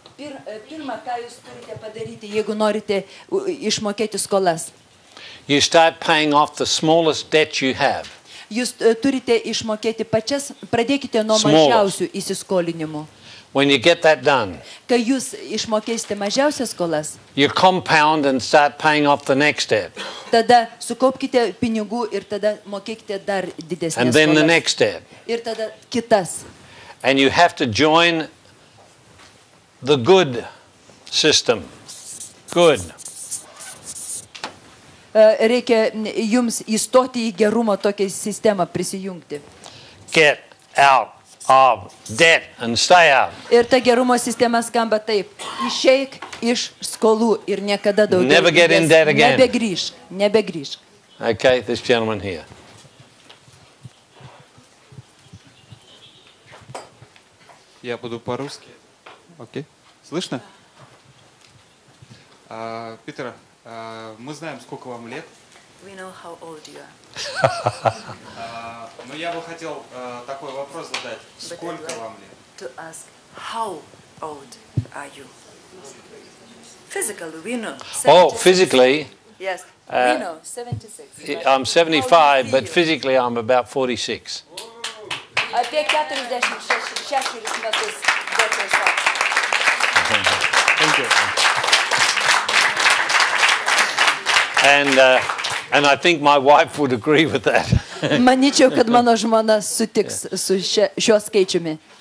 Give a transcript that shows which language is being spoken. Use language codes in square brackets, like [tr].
[lt] Pirma, ką jūs turite padaryti, jeigu norite išmokėti skolas? [en] You start paying off the smallest debt you have. [lt] Jūs turite išmokėti pačias, pradėkite nuo mažiausių įsiskolinimų. [en] When you get that done. [lt] Kai jūs išmokėsite mažiausias skolas. [en] You compound and start paying off the next debt. [lt] Tada sukaupkite pinigų ir tada mokėkite dar didesnes skolas. [en] And then the next debt. [lt] Ir tada kitas. [en] And you have to join the good system. Good. [lt] Reikia jums įstoti į gerumo tokią sistemą prisijungti. [en] Get out of debt and stay out. [lt] Ir ta gerumo sistema skamba taip. Išeik iš skolų ir niekada daugiau. [en] Never get in debt again. [lt] Nebegrįžk. [en] Okay, this gentleman here. [ru] Я буду по-русски. Окей. Слышно? Peter, мы знаем, сколько вам лет. [en] We know how old you are. [ru] Но я бы хотел такой вопрос задать. Сколько вам лет? [en] To ask how old are you? Physically, we know. 76. Oh, physically? Yes. We know, 76. I'm 75, but physically I'm about 46. [lt] Apie 46 metus. [en] And I think my wife would agree with that. [lt] Manyčiau, kad mano žmona sutiks su šiuo skaičiumi.